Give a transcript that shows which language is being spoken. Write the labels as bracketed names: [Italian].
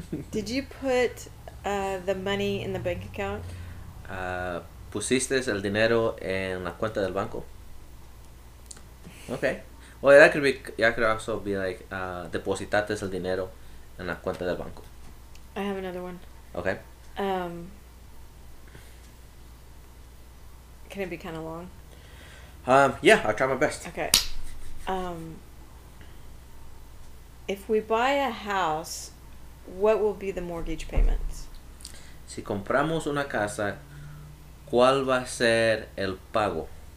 [English] did you put the money in the bank account? [Spanish] ¿Pusiste el dinero en la cuenta del banco? [English] Okay. Well, that could be. Yeah, could also be like, [Spanish] ¿Depositaste el dinero en la cuenta del banco? [English] I have another one. Okay. Can it be kind of long? Yeah, I'll try my best. Okay. If we buy a house, what will be the mortgage payments? [Spanish] Si compramos una casa, ¿cuál va a ser el pago?